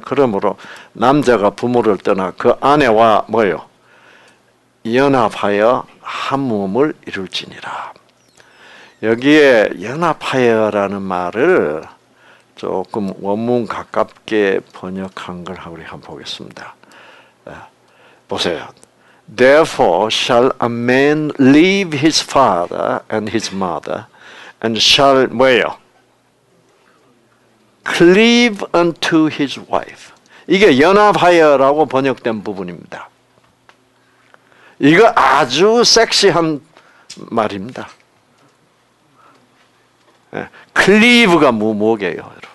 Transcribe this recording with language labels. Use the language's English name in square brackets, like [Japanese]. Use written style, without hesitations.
[Korean] 그러므로 남자가 부모를 떠나 그 아내와 뭐요 연합하여 한 몸을 이룰지니라. 여기에 연합하여라는 말을 조금 원문 가깝게 번역한 걸 우리 한번 보겠습니다. 보세요. [English] Therefore shall a man leave his father and his mother and shall [Korean] 뭐예요? [English] cleave unto his wife. [Korean] 이게 연합하여라고 번역된 부분입니다. 이거 아주 섹시한 말입니다. cleave가 뭐예요?